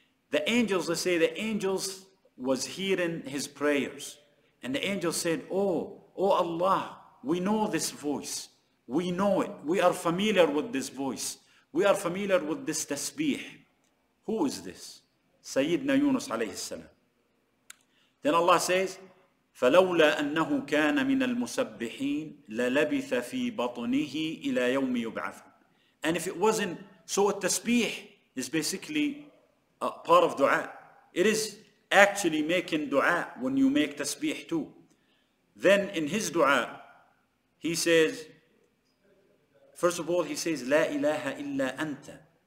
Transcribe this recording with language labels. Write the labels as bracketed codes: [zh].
[en] The angels, they say, the angels was hearing his prayers. And the angels said, oh Allah, we know this voice. We know it. We are familiar with this voice. We are familiar with this tasbih. Who is this? Sayyidina Yunus alayhi salam. [ar] Then Allah says, فَلَوْلَا أَنَّهُ كَانَ مِنَ الْمُسَبِّحِينَ لَلَبِثَ فِي بَطْنِهِ إِلَى يَوْمِ يُبْعَثُونَ. [en] And if it wasn't, so a tasbih is basically a part of dua. It is actually making dua when you make tasbih too. Then in his dua, he says, first of all, he says, [ar] لا إله إلا أنت.